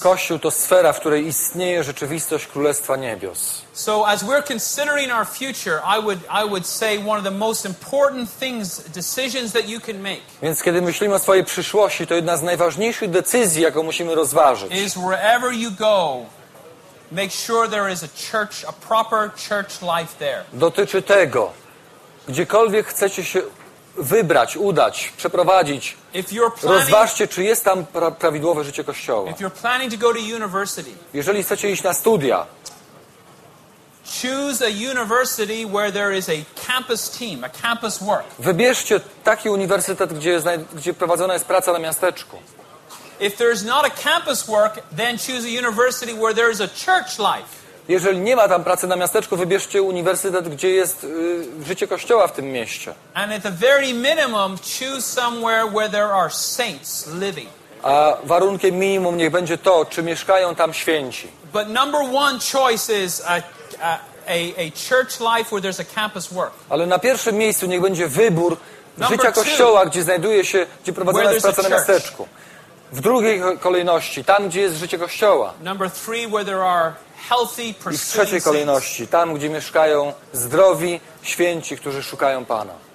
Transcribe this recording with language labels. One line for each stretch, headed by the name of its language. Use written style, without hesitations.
Polish: Kościół to sfera, w której istnieje rzeczywistość Królestwa Niebios.
English: So as we're considering our future, I would say one of the most important things, decisions that you can make.
Polish: Więc kiedy myślimy o swojej przyszłości, to jedna z najważniejszych decyzji, jaką musimy rozważyć.
English: Is wherever you go, make sure there is a church, a proper church life there.
Polish: Dotyczy tego, gdziekolwiek chcecie się wybrać, udać, przeprowadzić. Rozważcie, czy jest tam prawidłowe życie Kościoła.
English: If you're planning to go to university,
Polish: jeżeli chcecie iść na studia,
English: choose a university where there is a campus team, a campus work.
Polish: Wybierzcie taki uniwersytet, gdzie prowadzona jest praca na miasteczku.
English: If there's not a campus work, then choose a university where there is a church life.
Polish: Jeżeli nie ma tam pracy na miasteczku, wybierzcie uniwersytet, gdzie jest życie Kościoła w tym mieście.
English: And at the very minimum, choose somewhere where there are saints living.
Polish: A warunkiem minimum niech będzie to, czy mieszkają tam święci.
English: But number one choice is a church life where there's a campus work.
Polish: Ale na pierwszym miejscu niech będzie wybór życia Kościoła, gdzie znajduje się, gdzie prowadzona jest praca na miasteczku. W drugiej kolejności, tam, gdzie jest życie Kościoła.
English: Number three, where there are healthy,
Polish: i w trzeciej kolejności, tam, gdzie mieszkają zdrowi święci, którzy szukają Pana.